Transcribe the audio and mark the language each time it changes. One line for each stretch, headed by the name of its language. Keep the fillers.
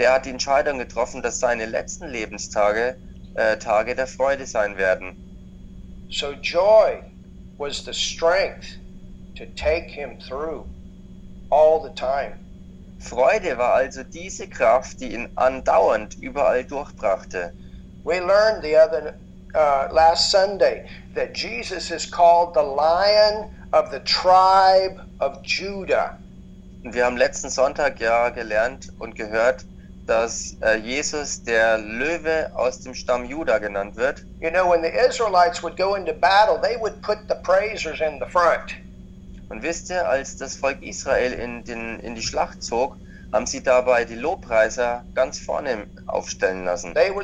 German: er hat die Entscheidung getroffen, dass seine letzten Lebenstage äh, Tage der Freude sein werden.
English: So joy
German: war die
English: strength to take him through.
German: Freude war also diese Kraft, die ihn andauernd überall durchbrachte.
English: We learned the other uh, last Sunday that Jesus is called the Lion of the Tribe of Judah.
German: Wir haben letzten Sonntag ja gelernt und gehört, dass Jesus der Löwe aus dem Stamm Juda genannt wird.
English: You know, when the Israelites would go into battle, they would put the praisers in the front.
German: Und wisst ihr, als das Volk Israel in, den, in die Schlacht zog, haben sie dabei die Lobpreiser ganz vorne aufstellen lassen.